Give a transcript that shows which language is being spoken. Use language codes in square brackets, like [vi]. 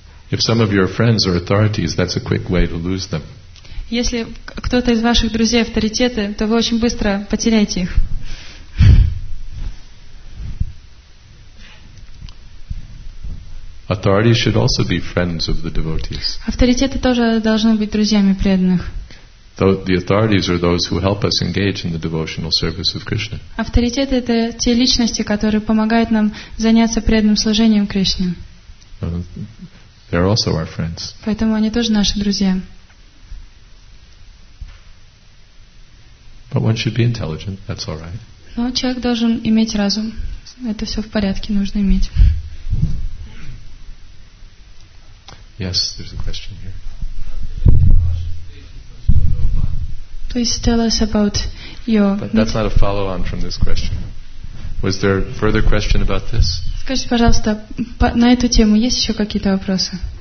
[en] If some of your friends are authorities, that's a quick way to lose them. [ru] Если кто-то из ваших друзей авторитеты, то вы очень быстро потеряете их. [en] Authorities should also be friends of the devotees. [ru] Авторитеты тоже должны быть друзьями преданных. [en] The authorities are those who help us engage in the devotional service of Krishna. [ru] Авторитеты это те личности, которые помогают нам заняться преданным служением Кришне. [en] They are also our friends. [ru] Поэтому они тоже наши друзья. [en] But one should be intelligent. That's all right. [ru] Но человек должен иметь разум. Это все в порядке, нужно иметь. [en] Yes, there's a question here. Please tell us about your... But that's not a follow-on from this question. Was there a further question about this? [ru] Скажите, пожалуйста, на эту тему есть еще какие-то вопросы?